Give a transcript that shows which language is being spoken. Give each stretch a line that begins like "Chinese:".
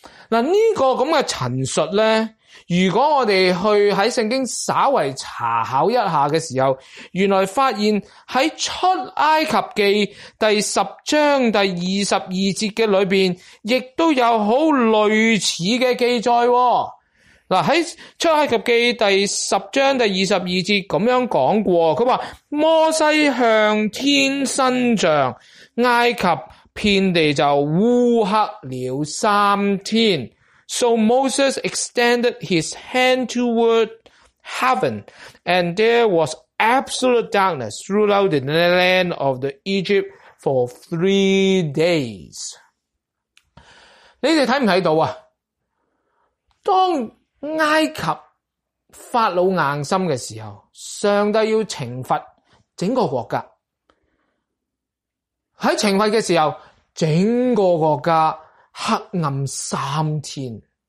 Cantonese: 嗱，呢个咁嘅陈述呢，如果我哋去喺圣经稍微查考一下嘅时候，原来发现喺出埃及记第10章第22节嘅里面亦都有好类似嘅记载喎。喺出埃及记第10章第22节咁样讲过，佢话摩西向天伸杖，埃及遍地就乌黑了三天。
English: So Moses extended his hand toward heaven, and there was absolute darkness throughout the land of the Egypt for 3 days.
Cantonese: 你哋睇唔睇到啊？当埃及法老硬心嘅时候，上帝要惩罚整个国家。喺惩罚嘅时候，整个国家黑暗三天。